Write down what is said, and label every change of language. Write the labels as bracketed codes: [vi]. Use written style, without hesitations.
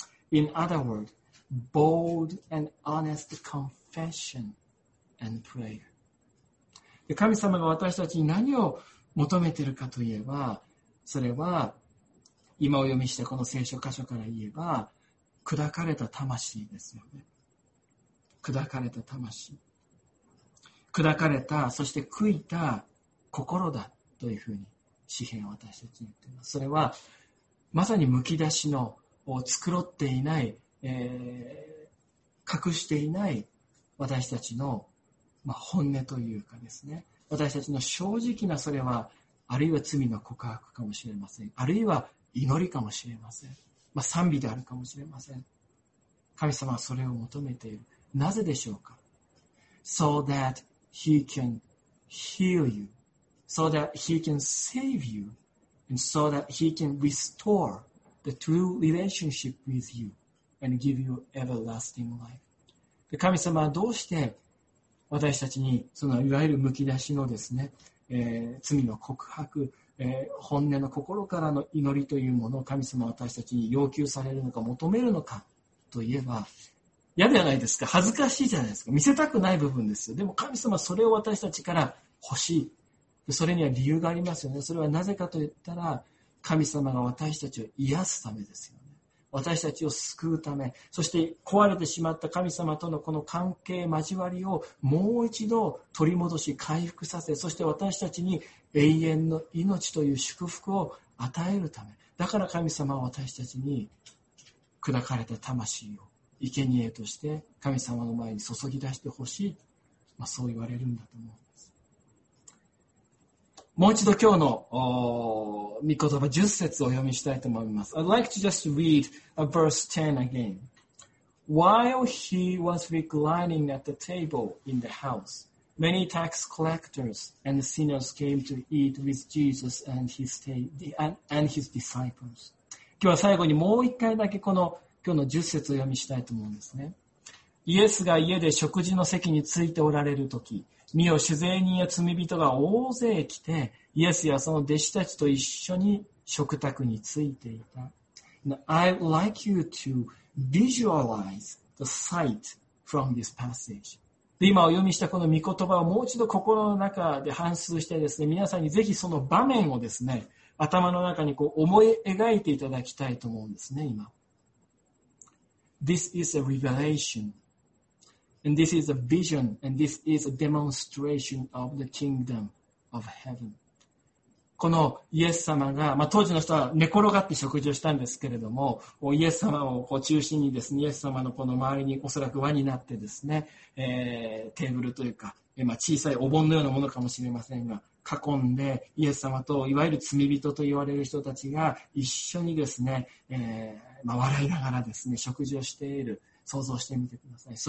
[en] In other words,Bold and honest confession and prayer. [ja] で、神様が私たちに何を求めているかといえば、それは今を読みしたこの聖書箇所から言えば、砕かれた魂ですよね。砕かれた魂、砕かれた、そして悔いた心だというふうに詩編は私たちに言っています。それはまさにむき出しの、を繕っていない、隠していない私たちの、まあ、本音というかですね、私たちの正直な、それはあるいは罪の告白かもしれません、あるいは祈りかもしれません、まあ、賛美であるかもしれません。神様はそれを求めている。なぜでしょうか。 [en] So that he can heal you, so that he can save you, and so that he can restore the true relationship with youAnd give you everlasting life. [ja] で、神様はどうして私たちにそのいわゆるむき出しのですね、罪の告白、本音の心からの祈りというものを神様は私たちに要求されるのか求めるのかといえば、嫌じゃないですか、恥ずかしいじゃないですか、見せたくない部分ですよ。でも神様はそれを私たちから欲しい。で、それには理由がありますよね。それはなぜかといったら、神様が私たちを癒すためですよ。私たちを救うため、そして壊れてしまった神様とのこの関係、交わりをもう一度取り戻し、回復させ、そして私たちに永遠の命という祝福を与えるため、だから神様は私たちに砕かれた魂を生贄として神様の前に注ぎ出してほしい、まあ、そう言われるんだと思う。もう一度今日の御言葉10節を読みしたいと思います。 [en] I'd like to just read a verse 10 again. While he was reclining at the table in the house, many tax collectors and sinners came to eat with Jesus and his disciples. [ja] 今日は最後にもう一回だけこの今日の10節を読みしたいと思うんですね。イエスが家で食事の席についておられるとき、見よ、酒税人や罪人が大勢来て、イエスやその弟子たちと一緒に食卓についていた。 [en] Now, I'd like you to visualize the sight from this passage. [ja] で今お読みしたこの御言葉をもう一度心の中で反芻してですね、皆さんにぜひその場面をですね、頭の中にこう思い描いていただきたいと思うんですね、今。 [en] This is a revelation. And this is a vision. And this is a demonstration of the kingdom of heaven. [ja] このイエス様が、まあ、当時の人は寝転がって食事をしたんですけれども、イエス様をこう中心にですね、イエス様のこの周りにおそらく輪になってですね、テーブルというか、まあ、小さいお盆のようなものかもしれませんが、囲んでイエス様といわゆる罪人と言われる人たちが一緒にですね、まあ、笑いながらですね食事をしている、想像してみてください。